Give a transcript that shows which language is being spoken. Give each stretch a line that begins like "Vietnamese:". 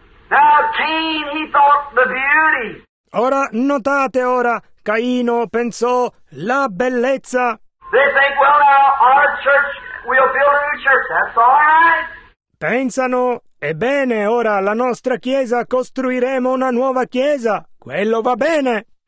English: Now Cain, he thought the beauty.
Italian: Ora notate, ora Caino pensò la bellezza.
English: They think, well, now our church, we'll build a new church. That's all right.
Italian: Pensano, ebbene, ora la nostra chiesa costruiremo una nuova chiesa. Quello va bene.